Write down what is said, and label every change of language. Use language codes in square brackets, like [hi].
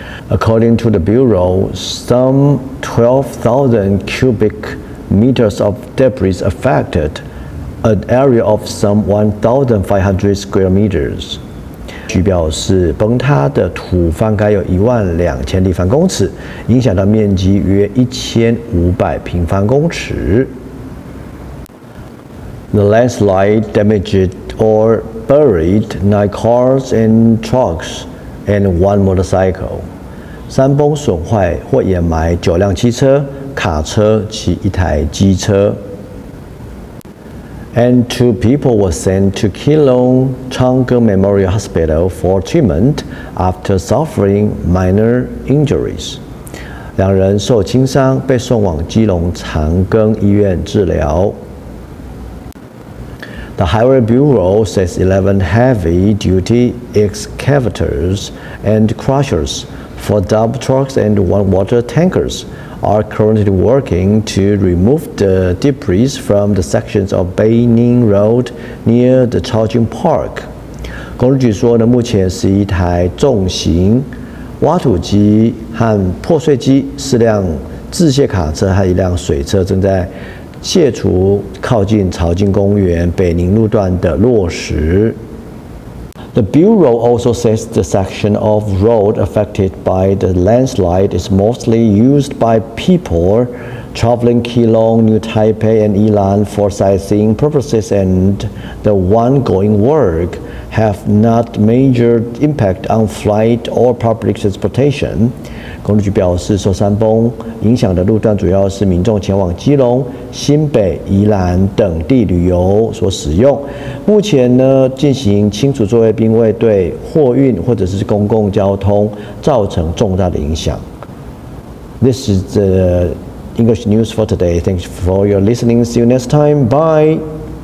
[en] According to the Bureau, some 12,000 cubic meters of debris affected an area of some 1,500 square meters. [zh] 据表示，崩塌的土方该有12,000立方公尺，影响到面积约1,500平方公尺。 [en] The landslide damaged or buried 9 cars and trucks and 1 motorcycle. [zh] 山崩损坏或掩埋9辆汽车、卡车及一台机车。 [en] And two people were sent to Keelung Changgang Memorial Hospital for treatment after suffering minor injuries. [zh] 两人受轻伤被送往基隆长庚医院治疗。 [en] The Highway Bureau says 11 heavy-duty excavators and crushers for dump trucks and one water tankers are currently working to remove the debris from the sections of Bay Ning Road near the Chaojing Park. [zh] 公路局说呢，目前11台重型挖土机和破碎机、4辆自卸卡车和1辆水车正在卸除靠近潮境公园北宁路段的落石。 [en] The Bureau also says the section of road affected by the landslide is mostly used by people traveling Keelung, New Taipei and Yilan for sightseeing purposes and the ongoing work have not major impact on flight or public transportation. [zh] 公路局表示，受山崩影响的路段主要是民众前往基隆、新北、宜兰等地旅游所使用。目前呢，进行清除作业并未对货运或者是公共交通造成重大的影响。 [en] This is the English news for today. Thanks for your listening. See you next time. Bye.